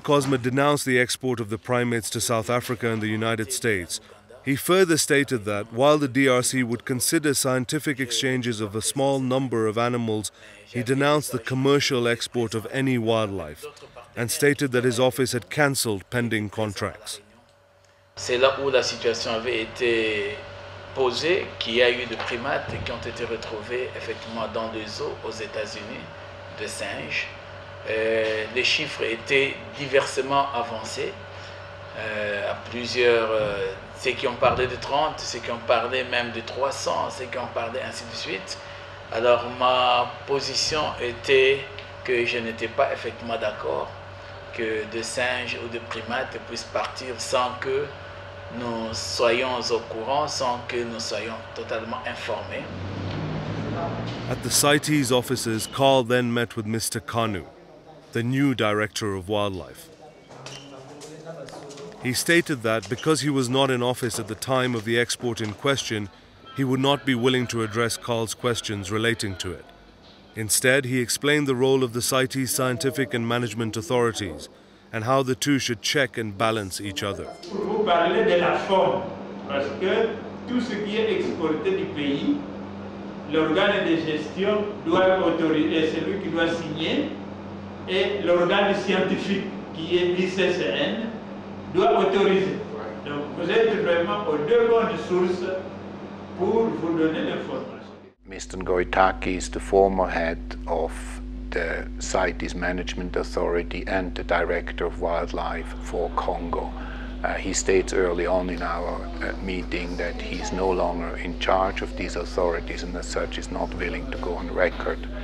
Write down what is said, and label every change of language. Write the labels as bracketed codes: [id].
[en] Cosma denounced the export of the primates to South Africa and the United States. He further stated that while the DRC would consider scientific exchanges of a small number of animals, he denounced the commercial export of any wildlife and stated that his office had cancelled pending contracts. [fr] C'est là où la situation avait été posée, qu'il y a eu des primates qui ont été retrouvés effectivement dans des zoos aux États-Unis, de singes. Les chiffres étaient diversement avancés, à plusieurs, ceux qui ont parlé de 30, ceux qui ont parlé même de 300, ceux qui ont parlé ainsi de suite. Alors ma position était que je n'étais pas effectivement d'accord que des singes ou des primates puissent partir sans que nous soyons au courant, sans que nous soyons totalement informés. [en] At the CITES offices, Karl then met with Mr. Kanu, the new director of wildlife. He stated that because he was not in office at the time of the export in question, he would not be willing to address Karl's questions relating to it. Instead, he explained the role of the CITES scientific and management authorities and how the two should check and balance each other. [fr] Vous parlez de la forme, parce que tout ce qui est exporté du pays, l'organe de gestion doit autoriser, celui qui doit signer, et l'organe scientifique qui est l'ICCN doit autoriser. Donc vous êtes vraiment aux deux bonnes sources pour vous donner l'information. [en] Mr. Ngoitaki is the former head of the CITES Management Authority and the Director of Wildlife for Congo. He states early on in our meeting that he's no longer in charge of these authorities and as such is not willing to go on record.